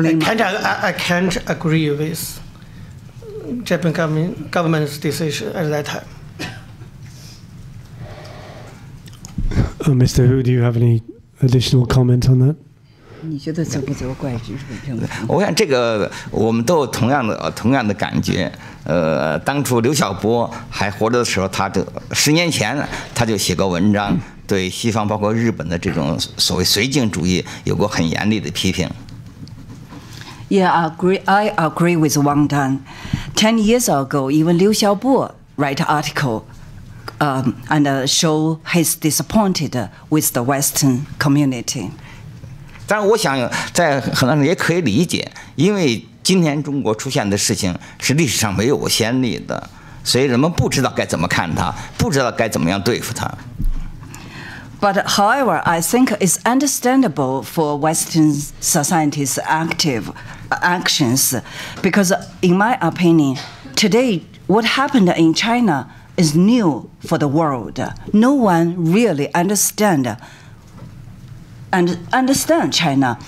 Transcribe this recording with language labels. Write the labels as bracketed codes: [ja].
[en] So that's why I can't agree with Japan government's decision at that time. Mr. Hu, do you have any additional comment on that? [zh] 你觉得责不责怪日本政府？我想这个我们都有同样的感觉。当初刘晓波还活着的时候，他就十年前他就写过文章，对西方包括日本的这种所谓绥靖主义有过很严厉的批评。 [en] Yeah, I agree with Wang Dan. 10 years ago, even 刘晓波 write article, and show his disappointed with the Western community. [zh] 但我想在很多人也可以理解因为今天中国出现的事情是历史上没有先例的所以人们不知道该怎么看它不知道该怎么样对付它 [en] But however, I think it's understandable for Western societies' actions, because in my opinion, today what happened in China is new for the world. No one really understand China.